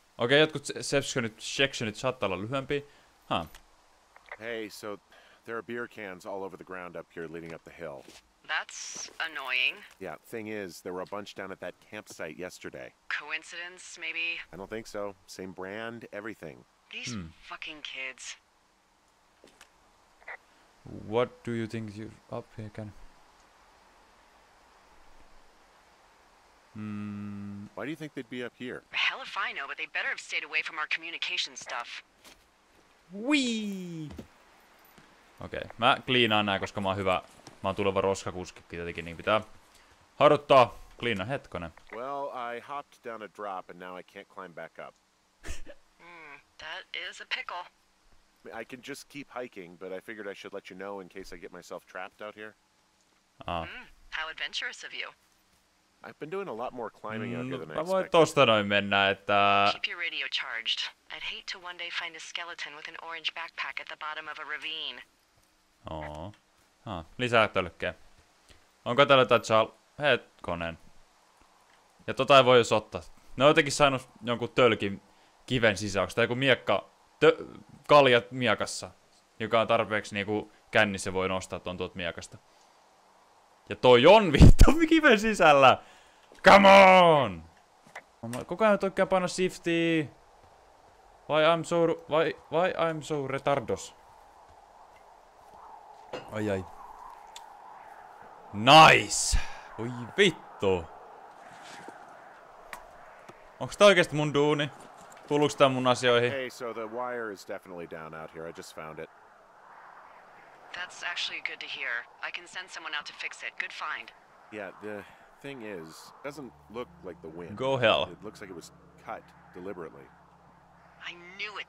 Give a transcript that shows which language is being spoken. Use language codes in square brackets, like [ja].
[fi] Okei, jotkut sectionit saattaa olla lyhyempi. Huh. [en] Hey, so there are beer cans all over the ground up here leading up the hill. That's annoying. Yeah, thing is, there were a bunch down at that campsite yesterday. Coincidence, maybe? I don't think so. Same brand, everything. These fucking kids. What do you think you up here can? Why do you think they'd be up here? Hell if I know, but they better have stayed away from our communication stuff. Wee. [fi] Okay, mä cleanaan nää, koska mä oon hyvä. Mä oon tuleva roskakuski, tietenkin niin pitää. Harottaa, cleanaan hetkonen. [en] Well, I hopped down a drop and now I can't climb back up. That is a pickle. I can just keep hiking, but I figured I should let you know in case I get myself trapped out here. How adventurous of you. I've been doing a lot more climbing out here than I expected. [fi] Mä voin tosta noin mennä, että... [en] Keep your radio charged. I'd hate to one day find a skeleton with an orange backpack at the bottom of a ravine. [fi] Lisää tölkkejä. Onko täällä jotain hetkonen. Ja tota ei voi jos ottaa. Ne on jotenkin saanut jonkun tölkin kiven sisäksi. Tai joku miekka... Kaljat miekassa. Joka on tarpeeksi niinku kännissä voi nostaa ton tuot miekasta. Ja toi on vittu kiven sisällä! [en] Come on! [fi] Koko ajan oikein paina shiftii. [en] Why I'm so retardos? Ai. Nice! [fi] Oi vittu! Onks tää oikeesti mun duuni? Tuluks tää mun asioihin? [en] Hey, so the wire is definitely down out here. I just found it. That's actually good to hear. I can send someone out to fix it. Good find. Yeah, the thing is, it doesn't look like the wind. Go hell. It looks like it was cut deliberately. I knew it.